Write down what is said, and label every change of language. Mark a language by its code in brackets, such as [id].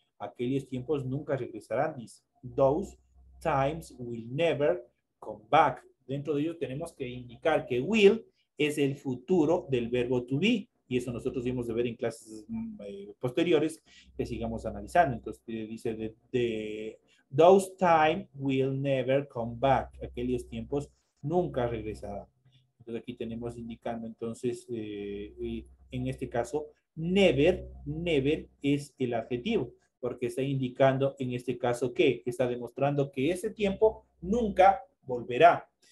[es] Aquellos tiempos nunca regresarán, dice. [en] Those times will never come back. [es] Dentro de ello tenemos que indicar que will es el futuro del verbo to be. Y eso nosotros vimos de ver en clases posteriores que sigamos analizando. Entonces dice, [en] those time will never come back. [es] Aquellos tiempos nunca regresarán. Entonces aquí tenemos indicando entonces, en este caso, never es el adjetivo. Porque está indicando en este caso que está demostrando que ese tiempo nunca volverá.